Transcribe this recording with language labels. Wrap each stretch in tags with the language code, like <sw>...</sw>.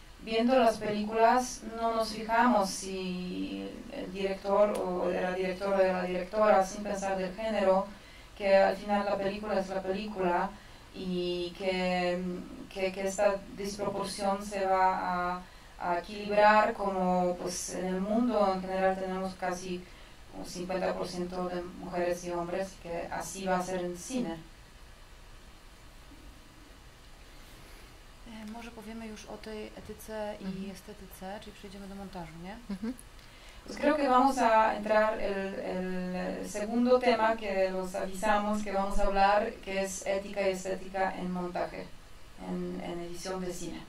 <es>viendo las películas no nos fijamos si el director o la directora de la directora, sin pensar del género, que al final la película es la película y que esta desproporción se va a equilibrar como pues, en el mundo en general tenemos casi un 50% de mujeres y hombres, que así va a ser en cine.</es> <pl>Może powiemy już o tej etyce i estetyce, czyli przejdziemy do montażu, nie?</pl> <es>Pues creo que vamos a entrar el segundo tema que los avisamos que vamos a hablar, que es ética y estética en montaje, en edición de cine.</es>